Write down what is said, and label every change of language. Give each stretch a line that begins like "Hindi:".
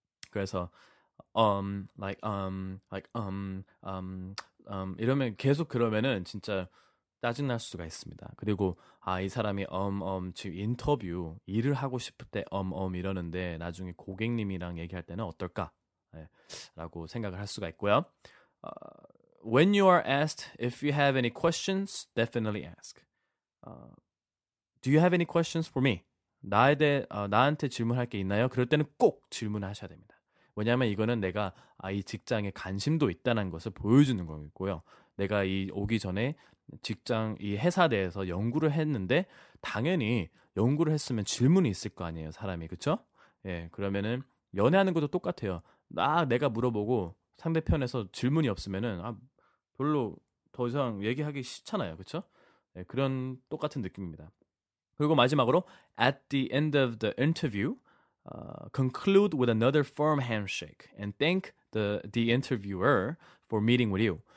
Korean: 그래서 이러면 계속 그러면은 진짜 짜증날 수가 있습니다. 그리고 이 사람이 지금 인터뷰 일을 하고 싶을 때 이러는데 나중에 고객님이랑 얘기할 때는 어떨까? 네, 라고 생각을 할 수가 있고요.
English: When you are asked if you have any questions, definitely ask. Do you have any questions for me?
Korean: 나한테 질문할 게 있나요? 그럴 때는 꼭 질문하셔야 됩니다. 왜냐하면 이거는 내가 이 직장에 관심도 있다는 것을 보여주는 거고요. 내가 이 오기 전에 직장 이 회사 대해서 연구를 했는데 당연히 연구를 했으면 질문이 있을 거 아니에요, 사람이. 그렇죠? 예, 그러면은 연애하는 것도 똑같아요. 내가 물어보고 상대편에서 질문이 없으면은 별로 더 이상 얘기하기 싫잖아요. 그렇죠? 예, 그런 똑같은 느낌입니다. 그리고 마지막으로
English: at the end of the interview, conclude with another firm handshake and thank the interviewer for meeting with you.